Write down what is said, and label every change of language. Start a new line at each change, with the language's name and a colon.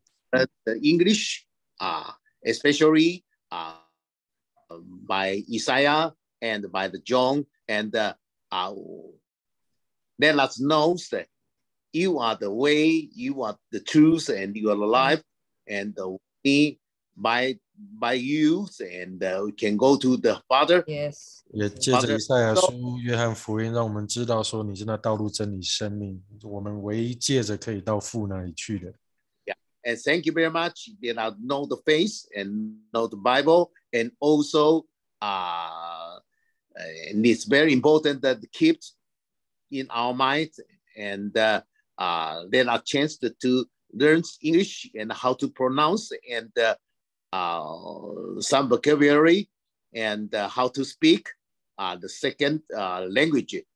English: The English, especially by Isaiah and by the John, and let us know that you are the way, you are the truth, and you are the life, and we by you, and we can go to the Father. Yes.
Chinese: 也借着以赛亚书、约翰福音，让我们知道说你是那道路、真理、生命，我们唯一借着可以到父那里去的。
English: And thank you very much. You know, know the faith and know the Bible, and also, and it's very important that keep in our mind, and then a chance to learn English and how to pronounce and some vocabulary and how to speak the second language.